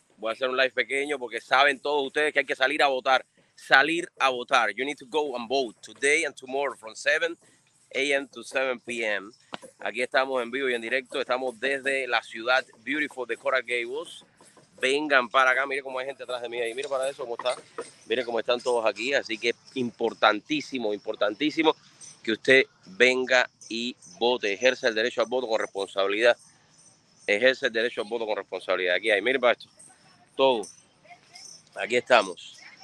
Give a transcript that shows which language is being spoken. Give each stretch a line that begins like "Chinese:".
Spanish: Voy a hacer un live pequeño porque saben todos ustedes que hay que salir a votar. Salir a votar.
English: You need to go and vote today and tomorrow from 7 a.m. to 7 p.m.
Spanish: Aquí estamos en vivo y en directo. Estamos desde la ciudad beautiful de Coral Gables. Vengan para acá. Miren cómo hay gente atrás de mí ahí. Miren para eso cómo está. Miren cómo están todos aquí. Así que importantísimo, importantísimo que usted venga y vote. Ejerce el derecho al voto con responsabilidad. Ejerce el derecho al voto con responsabilidad. Aquí hay, miren para esto. Todo. Aquí estamos.